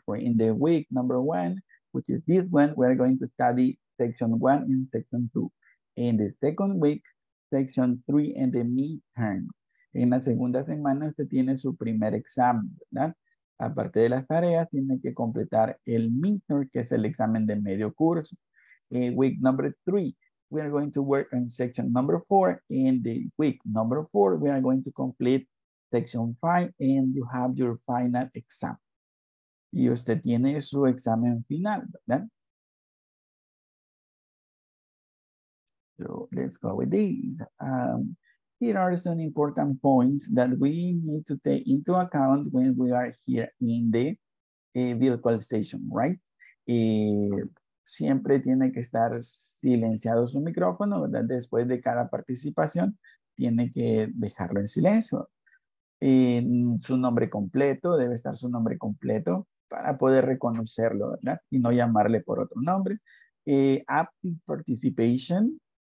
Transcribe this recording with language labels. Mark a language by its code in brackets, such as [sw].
[en] We're in the week number one, which is this one. We are going to study section one and section two. In the second week, section three and the midterm. [es] En la segunda semana usted tiene su primer examen, ¿verdad? Aparte de las tareas, tiene que completar el midterm, que es el examen de medio curso. [en] Week number three, we are going to work on section number four. In the week number four, we are going to complete section five and you have your final exam. [es] Y usted tiene su examen final, ¿verdad? [en] So let's go with these. Here are some important points that we need to take into account when we are here in the virtual session, right? [es] Siempre tiene que estar silenciado su micrófono, ¿verdad? Después de cada participación, tiene que dejarlo en silencio. Su nombre completo, debe estar su nombre completo para poder reconocerlo, ¿verdad? Y no llamarle por otro nombre. [en] Active participation.